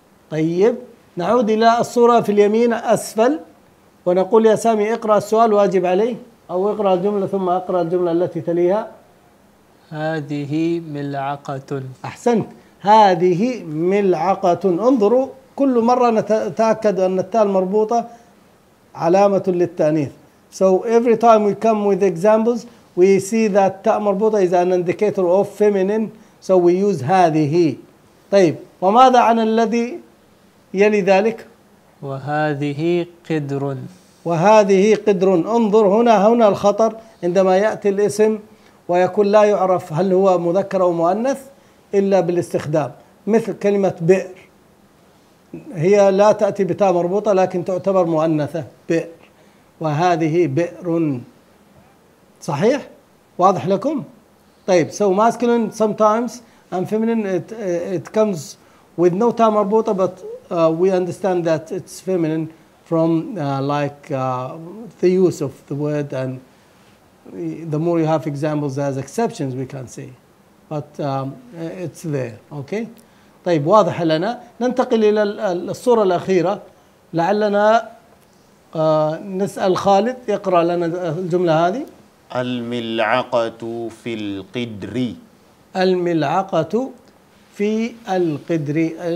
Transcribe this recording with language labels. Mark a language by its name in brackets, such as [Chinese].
[Arabic] طيب نعود إلى الصورة في اليمين أسفل ونقول يا سامي اقرأ السؤال واجب عليه, أو اقرأ الجملة ثم اقرأ الجملة التي تليها. هذه ملعقة. أحسنت. هذه ملعقة. انظروا كل مرة نتأكد أن التاء المربوطة علامة للتأنيث. [English] So every time we come with examples we see that تاء مربوطة is an indicator of feminine, so we use هذه. [Arabic] طيب وماذا عن الذي يلي ذلك؟ وهذه قدر. وهذه قدر. انظر هنا الخطر عندما يأتي الاسم ويكون لا يعرف هل هو مذكر أو مؤنث إلا بالاستخدام, مثل كلمة بئر, هي لا تأتي بتاء مربوطة لكن تعتبر مؤنثة, بئر. وهذه بئر. صحيح؟ واضح لكم؟ طيب [English] so masculine sometimes and feminine it comes with no تاء مربوطة, but we understand that it's feminine from the use of the word, and the more you have examples as exceptions we can say, but it's there. [Arabic] Okay, طيب واضح لنا. ننتقل إلى الصورة الأخيرة لعلنا نسأل خالد يقرأ لنا الجملة هذه. الملعقة في القدر. الملعقة في القدر.